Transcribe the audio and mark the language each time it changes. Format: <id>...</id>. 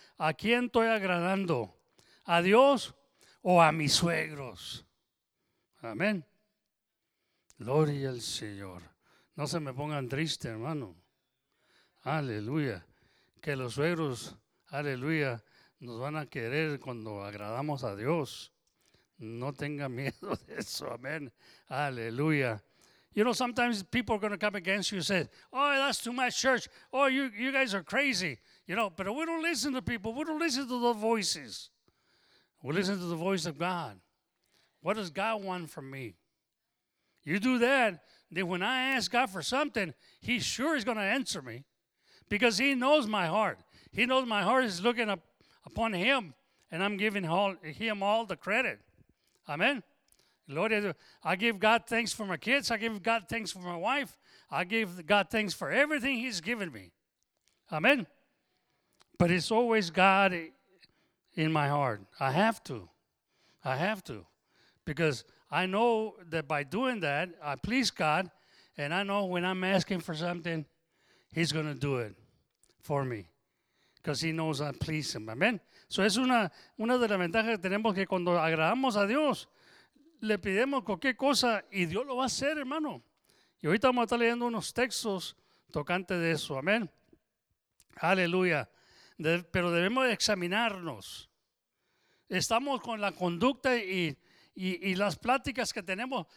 <es>¿A quién estoy agradando? ¿A Dios o a mis suegros? Amén. Gloria al Señor. No se me pongan tristes, hermano. Aleluya. que los suegros, aleluya, nos van a querer cuando agradamos a Dios. No tenga miedo de eso, amén, aleluya.</es> <en>You know, sometimes people are going to come against you and say, oh, that's too much church. Oh, you guys are crazy. You know, but we don't listen to people. We don't listen to the voices. We listen to the voice of God. What does God want from me? You do that, then when I ask God for something, he sure is going to answer me because he knows my heart. He knows my heart is looking upon him, and I'm giving him all the credit. Amen. Lord, I give God thanks for my kids. I give God thanks for my wife. I give God thanks for everything he's given me. Amen. But it's always God in my heart. I have to. I have to. Because I know that by doing that, I please God. And I know when I'm asking for something, he's going to do it for me. Because he knows I please him. Amen.</en> <es>So es una de las ventajas que tenemos que cuando agradamos a Dios, le pidemos cualquier cosa y Dios lo va a hacer, hermano. Y ahorita vamos a estar leyendo unos textos tocante de eso. Amén. Aleluya. Pero debemos examinarnos. Estamos con la conducta y las pláticas que tenemos.</es>